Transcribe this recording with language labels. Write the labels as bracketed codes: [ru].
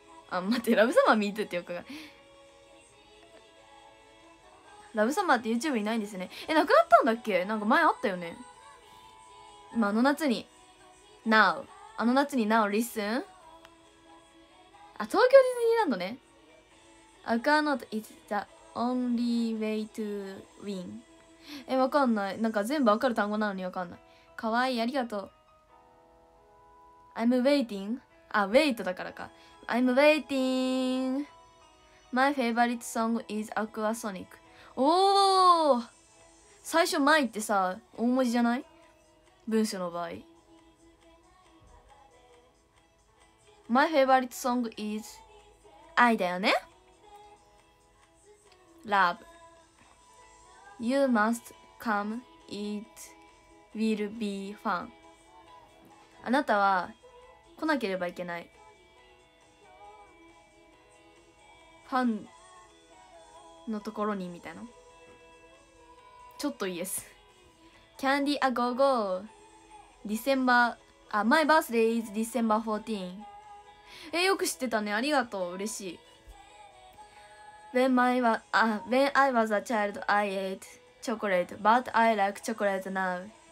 [ja] あ、待って、ラブサマー me too ってよくない、ラブサマーって YouTube いないんですね。え、なくなったんだっけ、なんか前あったよね。今あの夏に Now、 あの夏に Now listen。あ、東京ディズニーランドね。 [en] I cannot is the only way to win。 [ja] え、わかんない、なんか全部わかる単語なのにわかんない。かわいい、ありがとう。 I'm waiting、あ、wait だからか。 [en] I'm waiting、 My favorite song is Aquasonic。 [ja] おお、最初前ってさ大文字じゃない文章の場合。 [en] My favorite song is 愛だよね、 Love。 You must come, it will be fun。 [ja] あなたは来なければいけない、ファンのところにみたいな。ちょっとイエス。 [en] キャンディーアゴーゴー。ディセンバー。あ、マイバースデイイズディセンバー14。 [ja] え、よく知ってたね。ありがとう。嬉しい。 [en] When I was a child, I ate chocolate, but I like chocolate now.